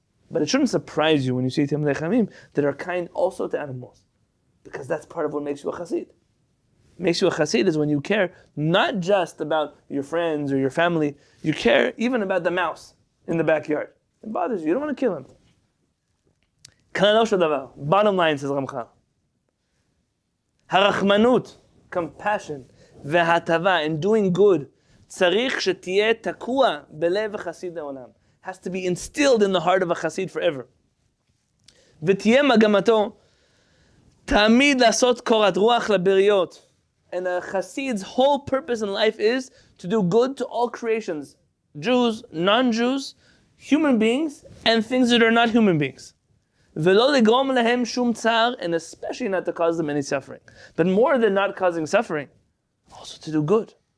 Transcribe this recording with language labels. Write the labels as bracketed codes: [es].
[en] But it shouldn't surprise you when you see Talmidei Chachamim that are kind also to animals. Because that's part of what makes you a chassid. What makes you a chassid is when you care not just about your friends or your family. You care even about the mouse in the backyard. It bothers you. You don't want to kill him. Bottom line, says Ramchal. [he] הרחמנות, compassion, והטבה, [en] and doing good, [he] צריך שתהיה תקוע בלב החסיד העולם. [en] Has to be instilled in the heart of a חסיד forever. [he] ותהיה מגמתו, תמיד לעשות קורת רוח לבריות. [en] And a חסיד's whole purpose in life is to do good to all creations, Jews, non-Jews, human beings, and things that are not human beings. [he] ולא לגרום להם שום צער, [en] and especially not to cause them any suffering. But more than not causing suffering, also to do good.